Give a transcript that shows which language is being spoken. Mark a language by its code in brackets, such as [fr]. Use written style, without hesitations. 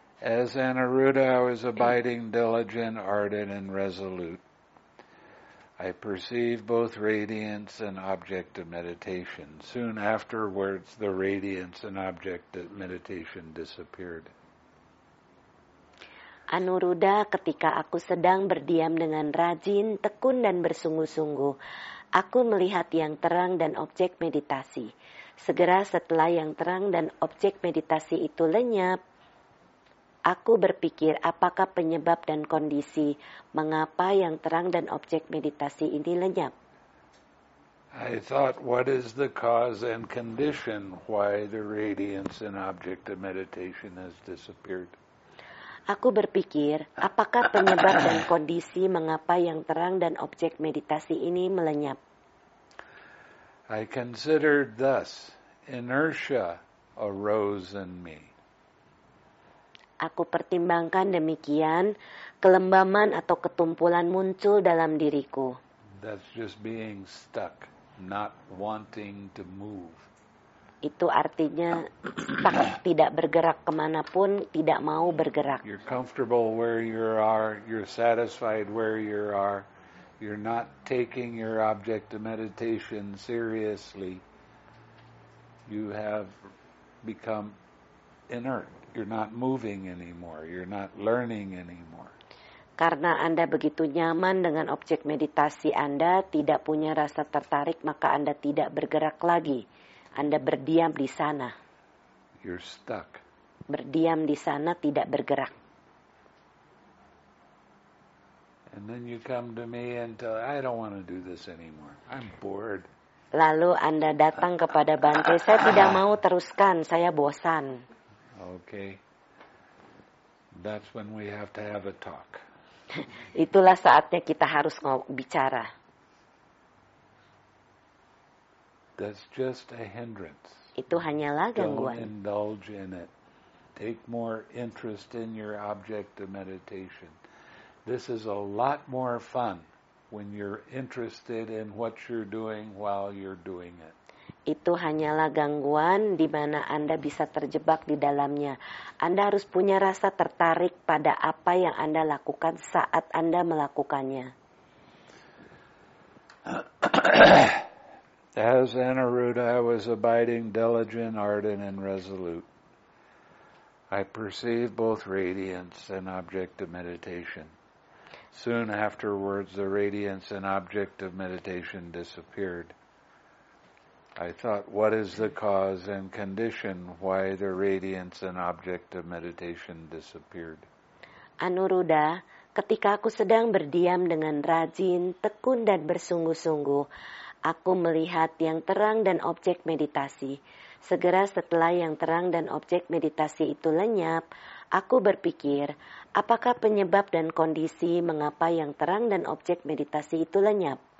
[en] As an Aruda, I was abiding diligent, ardent, and resolute. I perceived both radiance and object of meditation. Soon afterwards, the radiance and object of meditation disappeared. [id] Anuruda, ketika aku sedang berdiam dengan rajin, tekun, dan bersungguh-sungguh, aku melihat yang terang dan objek meditasi. Segera setelah yang terang dan objek meditasi itu lenyap, aku berpikir, apakah penyebab dan kondisi mengapa yang terang dan objek meditasi ini lenyap? [en] I thought, what is the cause and condition why the radiance and object of meditation has disappeared? [id] Aku berpikir, apakah penyebab dan kondisi mengapa yang terang dan objek meditasi ini melenyap? [en] I considered thus. inertia arose in me. [id] Aku pertimbangkan demikian, kelembaman atau ketumpulan muncul dalam diriku. [en] That's just being stuck, not wanting to move. [id] Itu artinya stuck, tidak bergerak kemanapun, tidak mau bergerak. [en] You're comfortable where you are, you're satisfied where you are, you're not taking your object of meditation seriously. You have become inert. You're not moving anymore. You're not learning anymore. [id] Karena Anda begitu nyaman dengan objek meditasi Anda, tidak punya rasa tertarik, maka Anda tidak bergerak lagi. Anda berdiam di sana. [en] You're stuck. [id] Berdiam di sana, tidak bergerak. [en] And then you come to me and tell, I don't want to do this anymore. I'm bored. [id] Lalu Anda datang kepada Bante, saya tidak mau teruskan, saya bosan. [en] Okay. That's when we have to have a talk. [id] Itulah saatnya kita harus bicara. [en] That's just a hindrance. [id] Itu hanyalah gangguan. [en] Don't indulge in it. Take more interest in your object of meditation. This is a lot more fun when you're interested in what you're doing while you're doing it. [id] Itu hanyalah gangguan di mana Anda bisa terjebak di dalamnya. Anda harus punya rasa tertarik pada apa yang Anda lakukan saat Anda melakukannya. [en] As Anuruddha, I was abiding diligent, ardent, and resolute. I perceived both radiance and object of meditation. Soon afterwards, the radiance and object of meditation disappeared. I thought, what is the cause and condition why the radiance and object of meditation disappeared? [id] Anuruddha, ketika aku sedang berdiam dengan rajin, tekun, dan bersungguh-sungguh, aku melihat yang terang dan objek meditasi. Segera setelah yang terang dan objek meditasi itu lenyap, aku berpikir, apakah penyebab dan kondisi mengapa yang terang dan objek meditasi itu lenyap?